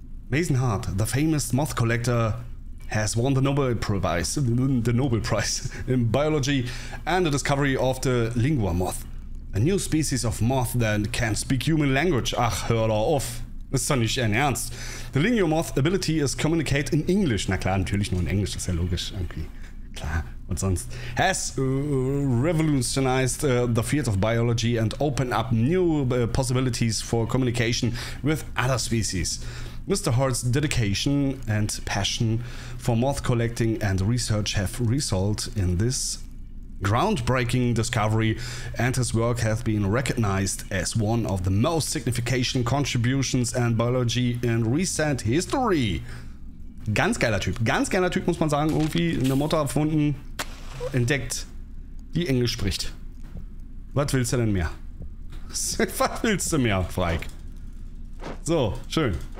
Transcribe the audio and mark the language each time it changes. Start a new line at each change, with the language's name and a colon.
English: Mason Hart, the famous moth collector, has won the Nobel Prize. The Nobel Prize in Biology and the discovery of the lingua moth. A new species of moth that can speak human language.
German: Ach, hör doch auf. Das ist doch nicht in Ernst.
English: The lingua moth ability is communicate in English.
German: Na klar, natürlich nur in Englisch, das ist ja logisch irgendwie. Klar, und sonst.
English: Has revolutionized the field of biology and open up new possibilities for communication with other species. Mr. Hart's dedication and passion for moth collecting and research have resulted in this groundbreaking discovery, and his work has been recognized as one of the most significant contributions in biology in recent history.
German: Ganz geiler Typ, muss man sagen, irgendwie eine Motte erfunden, entdeckt, die Englisch spricht. Was willst du denn mehr? Was willst du mehr, Freik? So, schön.